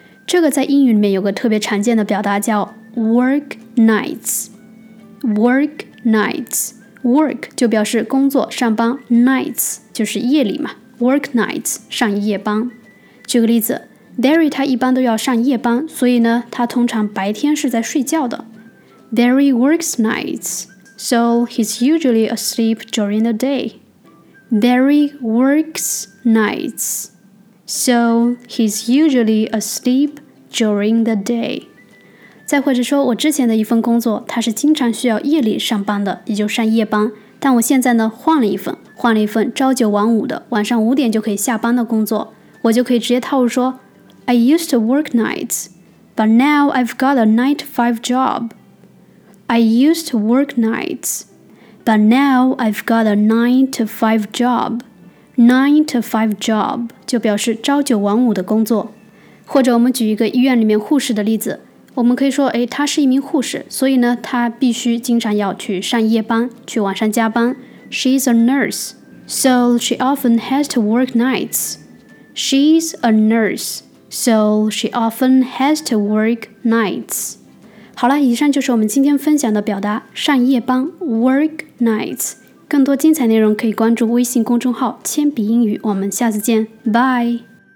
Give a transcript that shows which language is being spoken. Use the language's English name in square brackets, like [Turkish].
[Chinese] 这个在英语里面有个特别常见的表达叫 work nights。 work nights， work 就表示工作上班， nights 就是夜里嘛， work nights 上夜班。举个例子， Derry 他一般都要上夜班，所以呢他通常白天是在睡觉的。 [English] Derry works nights so he's usually asleep during the dayDerry works nights, so he's usually asleep during the day. [Chinese] 再或者说我之前的一份工作，它是经常需要夜里上班的，也就上夜班。但我现在呢，换了一份朝九晚五的，晚上五点就可以下班的工作。我就可以直接套入说 [English] I used to work nights, but now I've got a 9-to-5 job. I used to work nights. But now I've got a 9-to-5 job. [Chinese] 9-to-5 job 就表示朝九晚五的工作。或者我们举一个医院里面护士的例子，我们可以说，哎，他是一名护士，所以呢，他必须经常要去上夜班，去晚上加班。 [English] She's a nurse, so she often has to work nights. She's a nurse, so she often has to work nights. [Chinese] 好了，以上就是我们今天分享的表达上夜班 work nights。更多精彩内容可以关注微信公众号铅笔英语，我们下次见，拜。